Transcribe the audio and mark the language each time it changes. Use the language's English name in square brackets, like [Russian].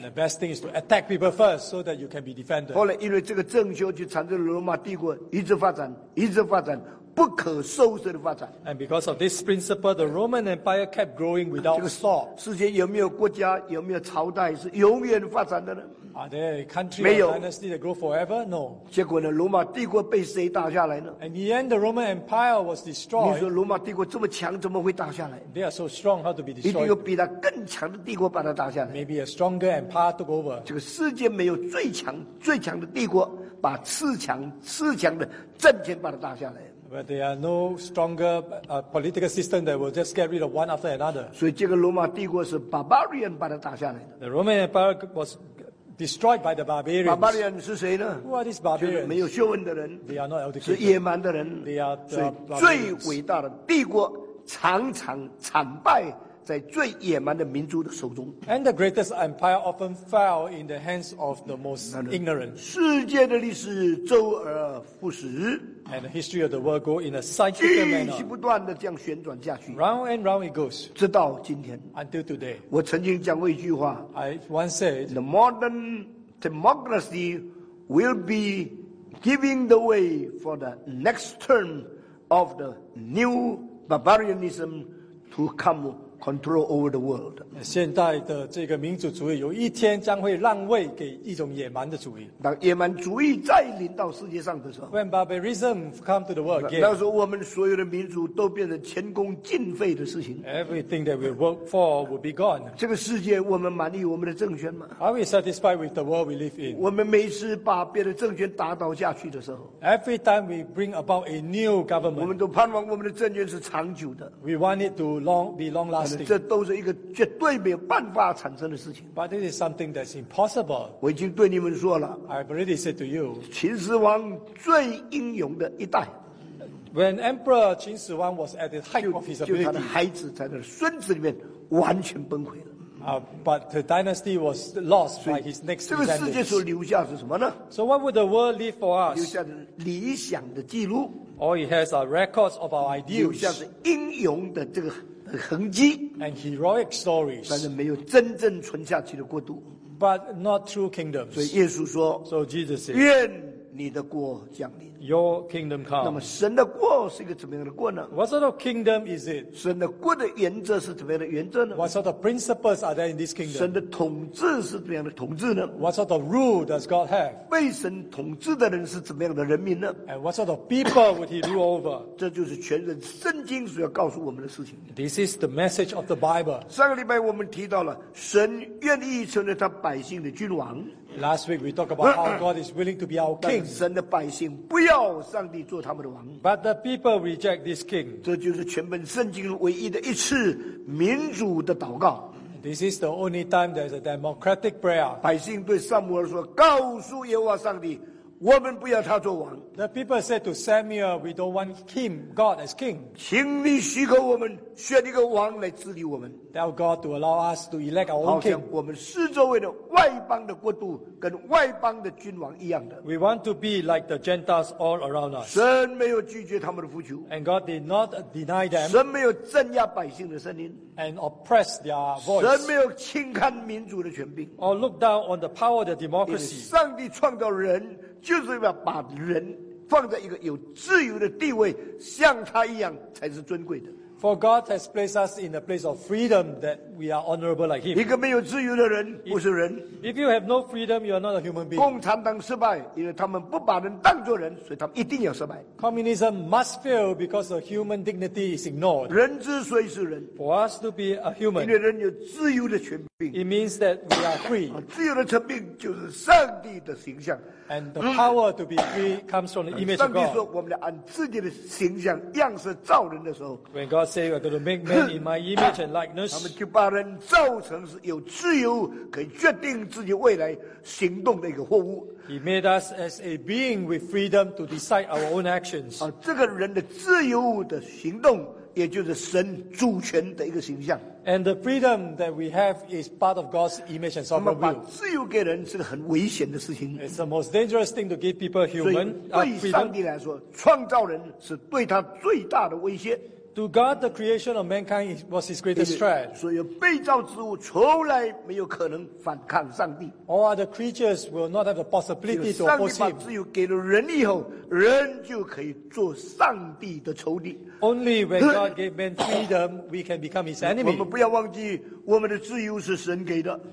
[English] And the best thing is to attack people first, so that you can be defended. [Chinese] 后来，因为这个政权就产生了罗马帝国，一直发展，一直发展，不可收拾的发展。 [English] And because of this principle, the Roman Empire kept growing without stop. [Chinese] 世界有没有国家，有没有朝代是永远发展的呢？ [English] Are there a country or dynasty that grow forever? No. [Chinese] 结果呢，罗马帝国被谁打下来呢？ [English] In the end, the Roman Empire was destroyed. [Chinese] 你说罗马帝国这么强，怎么会打下来？ [English] They are so strong, how to be destroyed? [Chinese] 一定有比他更强的帝国把他打下来。 [English] Maybe a stronger empire took over. [Chinese] 这个世界没有最强，最强的帝国把次强，次强的政权把他打下来。 [English] But there are no stronger political system that will just get rid of one after another. [Chinese] 所以这个罗马帝国是 barbarian 把他打下来的。 [English] The Roman Empire was destroyed by the barbarians. [Chinese] Barbarian 是谁呢？ [English] Who are these barbarians? [Chinese] 就是没有学问的人。 [English] They are not educated. [Chinese] 是野蛮的人。 [English] They are the barbarians. [Chinese] 最伟大的帝国常常惨败在最野蛮的民族的手中。 [English] And the greatest empire often fell in the hands of the most ignorant. [Chinese] 世界的历史周而复始。 [English] And the history of the world go in a cyclical manner. [Chinese] 继续不断的这样旋转下去。 [English] Round and round it goes. [Chinese] 直到今天。 [English] Until today. [Chinese] 我曾经讲过一句话。 [English] I once said, the modern democracy will be giving the way for the next term of the new barbarianism to come control over the world. [Chinese] 现代的这个民主主义有一天将会让位给一种野蛮的主义。当野蛮主义再临到世界上的时候 [English] ，When barbarism come to the world again， [Chinese] 那时候我们所有的民主都变成前功尽废的事情。 [English] Everything that we work for will be gone。 [Chinese] 这个世界我们满意我们的政权吗 [English] ？Are we satisfied with the world we live in？ [Chinese] 我们每次把别的政权打倒下去的时候 [English] ，Every time we bring about a new government， [Chinese] 我们都盼望我们的政权是长久的。 [English] We want it to be long lasting。 [Chinese] 这都是一个绝对没有办法产生的事情。 [English] But it is something that's impossible。 [Chinese] 我已经对你们说了。 [English] I've already said to you。 [Chinese] 秦始皇最英勇的一代。 [English] When Emperor 秦始皇 was at the height of his ability， [Chinese] 就他的孩子在他的孙子里面完全崩溃了。 [English] But the dynasty was lost by his next descendants。 [Chinese] 这个世界所留下是什么呢 [English] ？So what would the world leave for us？ [Chinese] 留下的理想的记录。 [English] All he has are records of our ideals， [Chinese] 留下是英勇的这个痕迹 [English] ，and heroic stories， [Chinese] 但是没有真正存下去的国度 [English] ，but not true kingdoms。 [Chinese] 所以耶稣说 [English] ，So Jesus said， [Chinese] 愿你的国降临 [English] ，Your kingdom come。 [Chinese] 那么神的国是一个怎么样的国呢 [English] ？What sort of kingdom is it？ [Chinese] 神的国的原则是怎么样的原则呢 [English] ？What sort of principles are there in this kingdom？ [Chinese] 神的统治是怎么样的统治呢 [English] ？What sort of rule does God have？ [Chinese] 被神统治的人是怎么样的人民呢 [English] ？And what sort of people would he rule over？ [Chinese] 这就是全人圣经所要告诉我们的事情。 [English] This is the message of the Bible。 [Chinese] 上个礼拜我们提到了神愿意成为他百姓的君王。 [English] Last week we talked about how God is willing to be our king. [Chinese] 神的百姓不要上帝做他们的王。 [English] But the people reject this king. [Chinese] 这就是全本圣经唯一的一次民主的祷告。 [English] This is the only time there's a democratic prayer. [Chinese] 百姓对撒母耳说：“告诉耶和华上帝，我们不要他做王。” [English] The people said to Samuel, "We don't want him, God, as king." [Chinese] 请你许可我们选一个王来治理我们。 [English] Tell God to allow us to elect our own king. [Chinese] 好像我们四周围的外邦的国度跟外邦的君王一样的。 [English] We want to be like the Gentiles all around us. [Chinese] 神没有拒绝他们的呼求。 [English] And God did not deny them. [Chinese] 神没有镇压百姓的声音。 [English] And oppress their voice. [Chinese] 神没有轻看民主的权柄。 [English] Or look down on the power of the democracy. [Chinese] 上帝创造人就是要把人放在一个有自由的地位，像他一样才是尊贵的。 [English] For God has placed us in a place of freedom that we are honorable like Him. [Chinese] 一个没有自由的人不是人。 [English] If you have no freedom, you are not a human being. [Chinese] 共产党失败，因为他们不把人当作人，所以他们一定要失败。 [English] Communism must fail because the human dignity is ignored. [Chinese] 人之所以是人 [English] ，For us to be a human， [Chinese] 因为人有自由的权柄。 [English] It means that we are free. [Chinese] 自由的权柄就是上帝的形象。 [English] And the power to be free comes from the image of God. [Chinese] 上帝说，我们要按自己的形象样式造人的时候 [English] ，When God say we're going to make man in my image and likeness， [Chinese] 他们就把人造成是有自由可以决定自己未来行动的一个货物。 [English] He made us as a being with freedom to decide our own actions。 [Chinese] 这个人的自由的行动，也就是神主权的一个形象。 [English] And the freedom that we have is part of God's image and sovereign will。 [Chinese] 把自由给人是个很危险的事情。 [English] It's the most dangerous thing to give people human freedom。 [Chinese] 对上帝来说，创造人是对他最大的威胁。 [English] To God, the creation of mankind was His greatest threat. [Chinese] 所以被造之物从来没有可能反抗上帝。 [English] All other creatures will not have the possibility to oppose Him. [Chinese] 上帝把自由给了人以后，人就可以做上帝的仇敌。 [English] Only when God gave man freedom, we can become His enemy. [Chinese] 我们不要忘记，我们的自由是神给的。